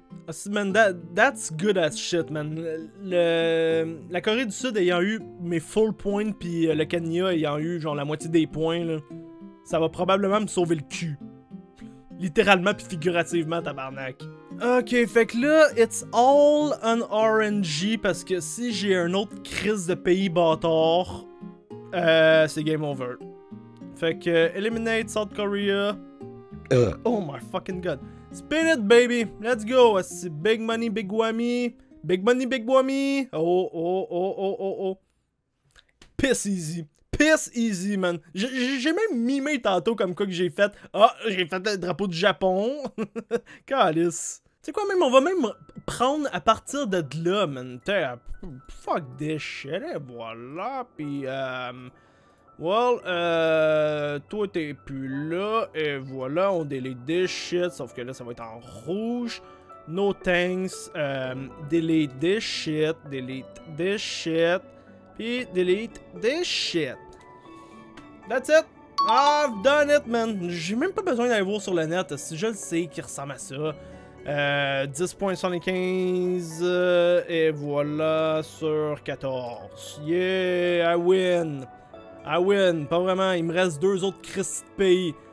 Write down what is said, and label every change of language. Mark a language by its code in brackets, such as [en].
[en] Esti, man, that's good as shit, man. [fr] La Corée du Sud ayant eu mes full points, puis le Kenya ayant eu, genre, la moitié des points, là, ça va probablement me sauver le cul. Littéralement puis figurativement, tabarnak. Ok, fait que là, [en] it's all an RNG, [fr] parce que si j'ai un autre crise de pays bâtard, c'est game over. Fait que, [en] eliminate South Korea. Oh my fucking god. Spin it, baby. Let's go. Big money, big whammy. Big money, big whammy. Oh. Piss easy. Piss easy, man. [fr] J'ai même mimé tantôt comme quoi que j'ai fait. Ah, oh, j'ai fait le drapeau du Japon. Calice. Tu sais quoi, même, on va même prendre à partir de là, man. [en] Fuck this shit, [fr] et voilà. Puis, toi, t'es plus là, et voilà, on [en] delete this shit, [fr] sauf que là, ça va être en rouge. [en] No thanks. Delete this shit, delete this shit, puis delete this shit. That's it. I've done it, man. [fr] J'ai même pas besoin d'aller voir sur le net, si je le sais qui ressemble à ça. 10.75 et voilà sur 14. [en] Yeah, I win. [fr] Pas vraiment, il me reste deux autres crisp pays.